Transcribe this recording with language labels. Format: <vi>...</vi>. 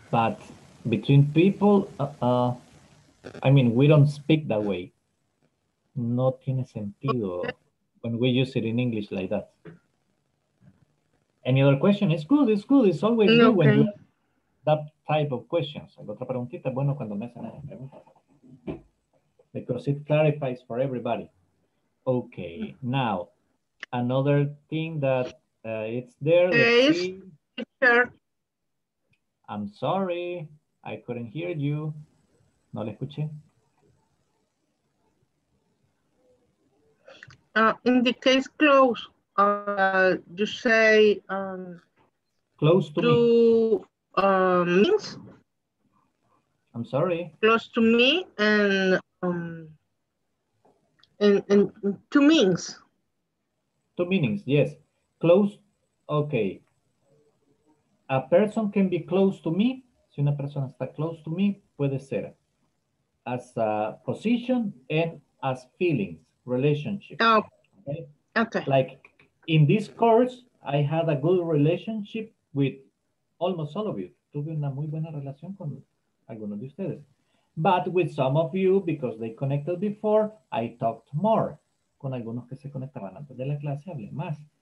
<en>But between people, I mean, we don't speak that way.</en> <es>No tiene sentido</es> <en>when we use it in English like that. Any other question? It's good, it's good. It's always good okay. When you have that type of questions.</en> <es>La otra preguntita es bueno cuando me hacen esa pregunta.</es> <en>Because it clarifies for everybody. Okay, now, another thing that it's there. Let's see. Sure. I'm sorry, I couldn't hear you.</en> <es>No le escuché.</es> <en>In the case close, you say close to do, me. Means? I'm sorry. Close to me and two means. Two meanings, yes. Close, okay. A person can be close to me.</en> <es>Si una persona está</es> <en>close to me,</en> <es>puede ser.</es> <en>As a position and as feelings, relationship. Oh. Okay. Like in this course, I had a good relationship with almost all of you.</en> <es>Tuve una muy buena relación con algunos de ustedes.</es> <en>But with some of you, because they connected before, I talked more.</en> <es>Con algunos que se conectaban antes de la clase, hablé más.</es>